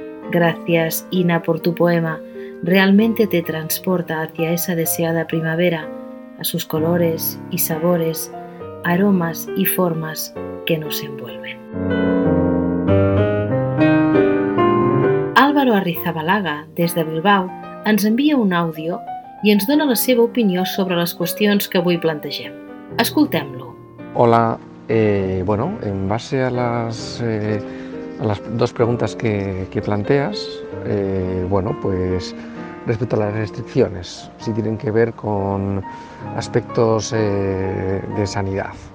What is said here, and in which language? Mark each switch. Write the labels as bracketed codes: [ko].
[es] Gracias, Ina, por tu poema. Realmente te transporta hacia esa deseada primavera, a sus colores y sabores, aromas y formas que nos envuelven. [ca] Álvaro Arrizabalaga, des de Bilbao, ens envia un àudio i ens dona la seva opinió sobre les qüestions que avui plantegem. Escoltem-lo. [es] Hola, bueno, en base a las dos preguntas que planteas, bueno, pues respecto a las restricciones, si tienen que ver con aspectos de sanidad.